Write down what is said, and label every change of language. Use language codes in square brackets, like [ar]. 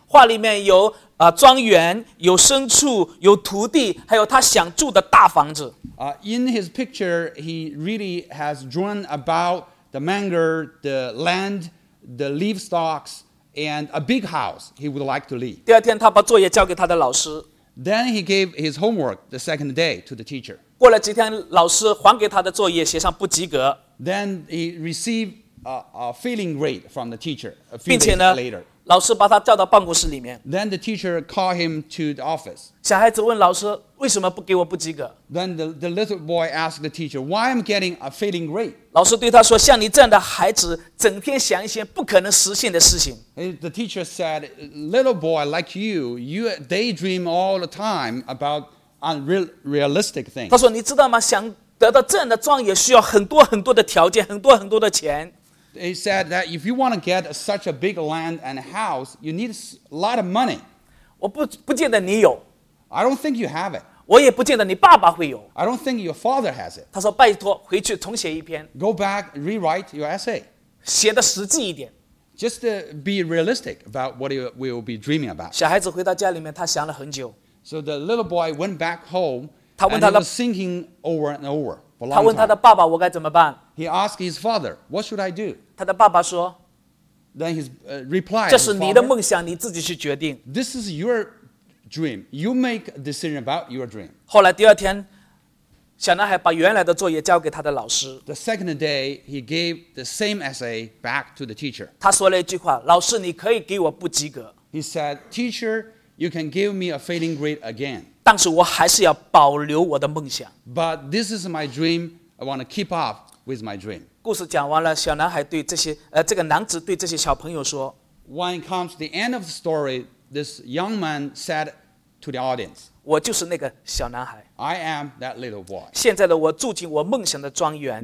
[zh] 画里面有庄园，有牲畜，有土地，还有他想住的大房子。 [en] In his picture, he really has drawn about the mango, the land, the leaf stalks, and a big house he would like to live. [zh] 第二天，他把作业交给他的老师。 [en] Then he gave his homework the second day to the teacher. [zh] 过了几天，老师还给他的作业写上不及格。 [en] Then he received a failing grade from the teacher a few days [zh] 且呢，老师把他叫到办公室里面。 [en] Then the teacher called him to the office. [zh] 小孩子问老师为什么不给我不及格。 [en] Then the little boy asked the teacher, why am I getting a failing grade? [zh] 老师对他说，像你这样的孩子整天想一些不可能实现的事情。 [en] The teacher said, little boy like you, you daydream all the time about unrealistic things. [zh] 他说，你知道吗，想得到这样的状元需要很多很多的条件，很多很多的钱。 [en] He said that if you want to get such a big land and house, you need a lot of money. [zh] 我不见得你有。 [en] I don't think you have it. [zh] 我也不见得你爸爸会有。 [en] I don't think your father has it. [zh] 他说拜托回去重写一篇。 [en] Go back, rewrite your essay. [zh] 写得实际一点。 [en] Just to be realistic about what you will be dreaming about. [zh] 小孩子回到家里面，他想了很久。 [en] So the little boy went back home, [zh] 他问他的 [en] and he was thinking over and over. [zh] 他问他的爸爸我该怎么办。 [en] He asked his father, what should I do? [zh] 他的爸爸说, [en] Then he replied, [zh] 这是你的梦想, 你自己去决定。 [en] This is your dream. You make a decision about your dream. [zh] 后来第二天, 小男孩把原来的作业交给他的老师。 [en] The second day, he gave the same essay back to the teacher. [zh] 他说了一句话, 老师你可以给我不及格。 [en] He said, teacher, you can give me a failing grade again. [zh] 但是我还是要保留我的梦想。 [en] But this is my dream. I want to keep up. With my dream. [zh] 故事讲完了，小男孩对这些这个男子对这些小朋友说。 [en] When it comes to the end of the story, this young man said to the audience, [zh] 我就是那个小男孩。 [en] I am that little boy. [zh] 现在的我住进我梦想的庄园。